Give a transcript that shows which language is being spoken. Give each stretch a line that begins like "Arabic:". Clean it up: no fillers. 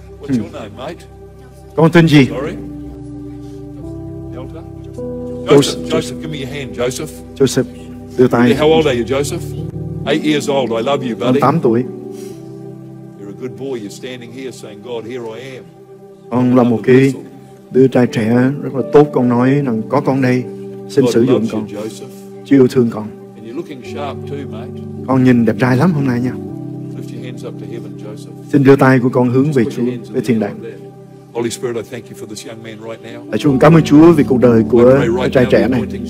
English: What's your name, mate?
Vietnamese: Con tên gì?
English: Sorry. Delta? Joseph, give me your hand, Joseph.
Vietnamese: Joseph. Đưa tay.
English: How old are you, Joseph? 8 years old. I love you, buddy.
Vietnamese: 8 tuổi.
English: You're a good boy. You're standing here saying, God, here I am.
Vietnamese: Con là một cái đứa trai trẻ rất là tốt. Con nói rằng có con đây, xin sử dụng con. Chúa yêu thương con.
English: And you're looking sharp too, mate.
Vietnamese: Con nhìn đẹp trai lắm hôm nay nha.
English: Lift your hands up to heaven, Joseph.
Vietnamese: Xin đưa tay của con hướng về Chúa, về thiên đàng.
English: Holy Spirit, I thank you for this young man right now.
Vietnamese: Lạy Chúa, cảm ơn Chúa vì cuộc đời của trai trẻ này.